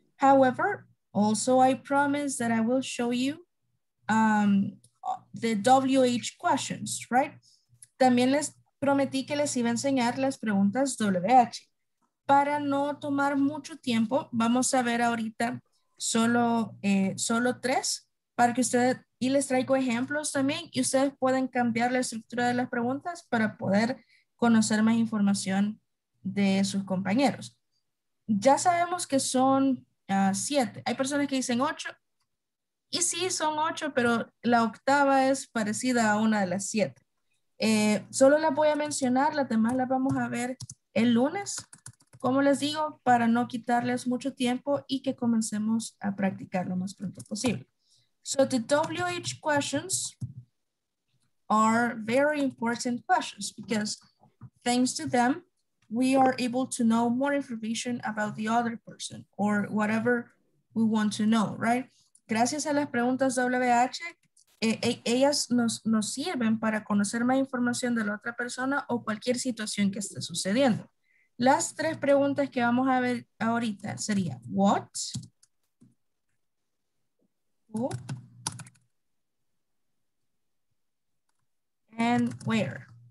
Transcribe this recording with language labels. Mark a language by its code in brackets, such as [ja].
[en] However, also I promise that I will show you the WH questions, right? [es] También les prometí que les iba a enseñar las preguntas WH. Para no tomar mucho tiempo, vamos a ver ahorita solo tres para que ustedes, y les traigo ejemplos también, y ustedes pueden cambiar la estructura de las preguntas para poder conocer más información de sus compañeros. Ya sabemos que son siete. Hay personas que dicen ocho. Y sí, son ocho, pero la octava es parecida a una de las siete. Solo las voy a mencionar. Las demás las vamos a ver el lunes. Como les digo, para no quitarles mucho tiempo y que comencemos a practicar lo más pronto posible. [en] So the WH questions are very important questions because thanks to them, we are able to know more information about the other person or whatever we want to know, right? [es] Gracias a las preguntas WH, ellas nos sirven para conocer más información de la otra persona o cualquier situación que esté sucediendo. Las tres preguntas que vamos a ver ahorita serían what, who, and where.